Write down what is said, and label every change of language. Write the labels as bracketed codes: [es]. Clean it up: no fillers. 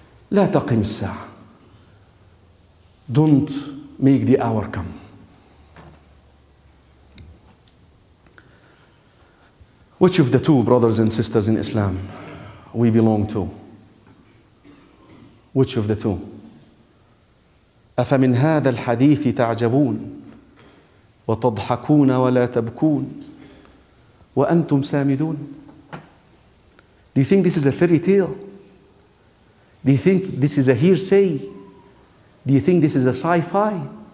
[ar] لا تقم الساعة. [en] Don't make the hour come. Which of the two brothers and sisters in Islam we belong to? Which of the two? [ar] أفمن هذا الحديث تعجبون وتضحكون ولا تبكون وأنتم سامدون. [en] Do you think this is a fairy tale? Do you think this is a hearsay? Do you think this is a sci-fi?